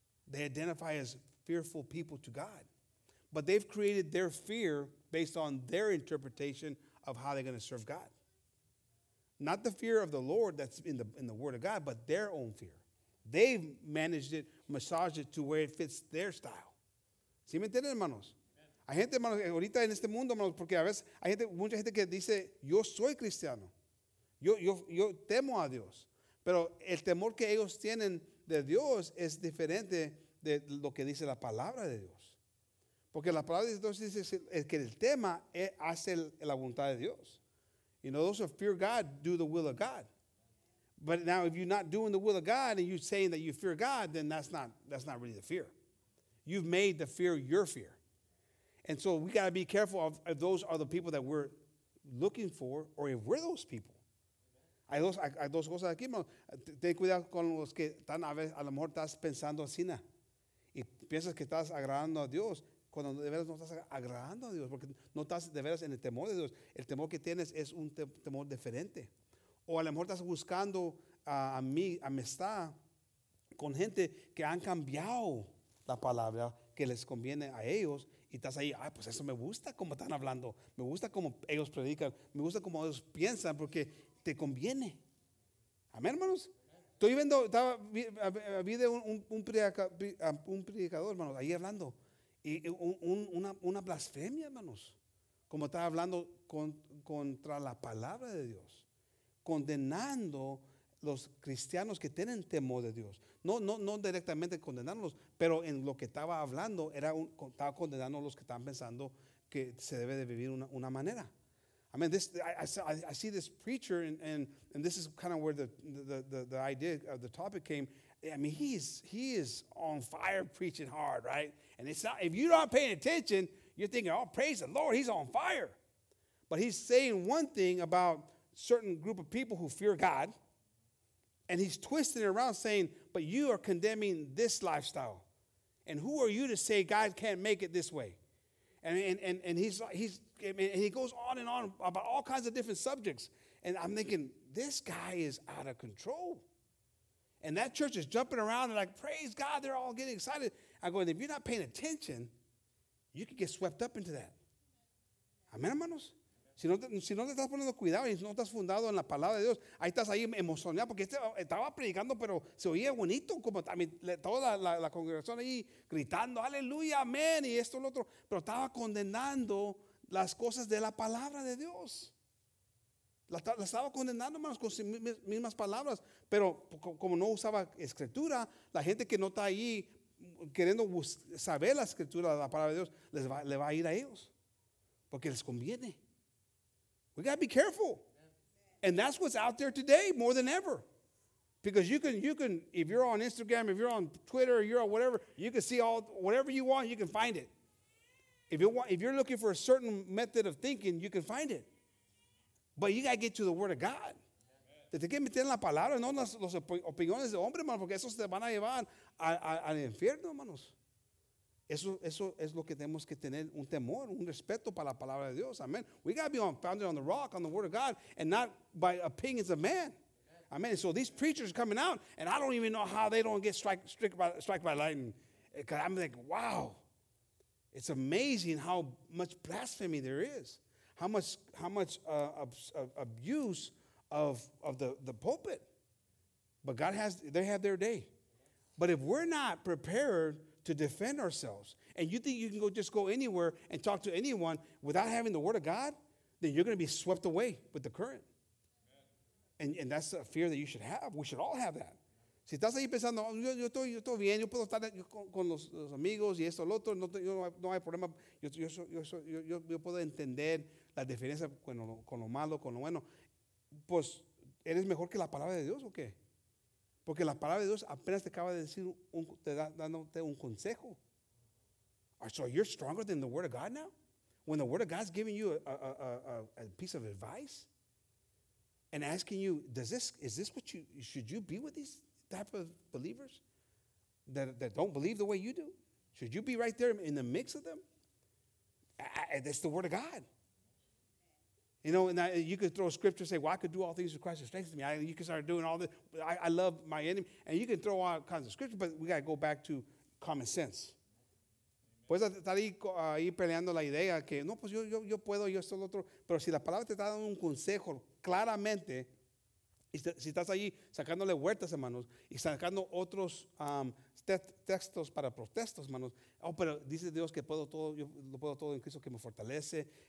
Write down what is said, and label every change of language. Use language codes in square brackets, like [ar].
[en] They identify as fearful people to God. But they've created their fear based on their interpretation of how they're gonna serve God. Not the fear of the Lord that's in the Word of God, but their own fear. They've managed it, massaged it to where it fits their style. [es] ¿Sí me entienden, hermanos? Hay gente, hermanos, ahorita en este mundo, hermanos, porque a veces hay gente, mucha gente que dice, yo soy cristiano. Yo temo a Dios. Pero el temor que ellos tienen de Dios es diferente de lo que dice la palabra de Dios. Porque la palabra de Dios dice que el tema hace la voluntad de Dios. [en] You know, those who fear God do the will of God. But now if you're not doing the will of God and you're saying that you fear God, then that's not really the fear. You've made the fear your fear. And so we got to be careful of if those are the people that we're looking for or if we're those people. [es] Hay dos cosas aquí, ten cuidado con los que están a lo mejor estás pensando así na. Y piensas que estás agradando a Dios cuando de veras no estás agradando a Dios porque no estás de veras en el temor de Dios. El temor que tienes es un temor diferente. O a lo mejor estás buscando amistad con gente que han cambiado la palabra que les conviene a ellos. Y estás ahí, ah, pues eso me gusta cómo están hablando. Me gusta cómo ellos predican. Me gusta cómo ellos piensan porque te conviene. Amén, hermanos. Estoy viendo, vi de un predicador, hermanos, ahí hablando. Y una blasfemia, hermanos. Como estaba hablando contra la palabra de Dios. Condenando los cristianos que tienen temor de Dios. No directamente condenarlos, pero en lo que estaba hablando, estaba condenando a los que estaban pensando que se debe de vivir una manera. [en] I mean, I see this preacher, and this is kind of where the idea of the topic came. I mean, he is on fire preaching hard, right? And it's not, if you're not paying attention, you're thinking, oh, praise the Lord, he's on fire. But he's saying one thing about certain group of people who fear God, and he's twisting it around saying, but you are condemning this lifestyle. And who are you to say God can't make it this way? And he goes on and on about all kinds of different subjects. And I'm thinking, this guy is out of control. And that church is jumping around and like, praise God, they're all getting excited. I go, if you're not paying attention, you could get swept up into that. [es] Amén, hermanos. Si no te estás poniendo cuidado y no estás fundado en la palabra de Dios, ahí estás ahí emocionado porque estaba predicando, pero se oía bonito, como también toda la congregación ahí gritando, aleluya, amén, y esto y lo otro. Pero estaba condenando las cosas de la palabra de Dios. La estaba condenando, hermanos, con sus mismas palabras. Pero como no usaba escritura, la gente que no está ahí queriendo saber la escritura, la palabra de Dios, le va a ir a ellos porque les conviene. [en] We got to be careful. And that's what's out there today more than ever. Because you can, if you're on Instagram, if you're on Twitter, you're on whatever, you can see all, whatever you want, you can find it. If you're looking for a certain method of thinking, you can find it. But you got to get to the Word of God. [es] Te tienes que meter en la palabra, no las opiniones de hombre, hermano, porque esos te van a llevar al infierno, hermanos. Eso es lo que tenemos que tener, un temor, un respeto para la palabra de Dios. [en] Amen. We got to be founded on the rock, on the word of God, and not by opinions of man. Amen. So these preachers coming out, and I don't even know how they don't get struck by lightning. Because I'm like, wow. It's amazing how much blasphemy there is. How much abuse of the pulpit. But God has, they have their day. But if we're not prepared to defend ourselves, and you think you can go anywhere and talk to anyone without having the word of God, then you're going to be swept away with the current. And that's a fear that you should have. We should all have that. [es] Si estás ahí pensando, yo estoy bien, yo puedo estar con los amigos y esto, lo otro, no hay problema. Yo puedo entender la diferencia con lo malo, con lo bueno. Pues, ¿eres mejor que la palabra de Dios o qué? Porque la palabra de Dios apenas te acaba de decir, dándote un consejo. [en] So you're stronger than the word of God now? When the word of God's giving you a piece of advice and asking you, is this what you, should you be with these type of believers that don't believe the way you do? Should you be right there in the mix of them? That's the word of God. You know, and you could throw a scripture and say, well, I could do all things through Christ who strengthens me. You could start doing all this. I love my enemy. And you can throw all kinds of scripture, but we got to go back to common sense. [es] Puedes estar ahí peleando la idea que, no, pues yo puedo, yo soy el otro. Pero si la palabra te está dando un consejo claramente, y si estás ahí sacándole huertas, hermanos, y sacando otros textos para protestos, hermanos. Oh, pero dice Dios que puedo todo, yo lo puedo todo en Cristo que me fortalece.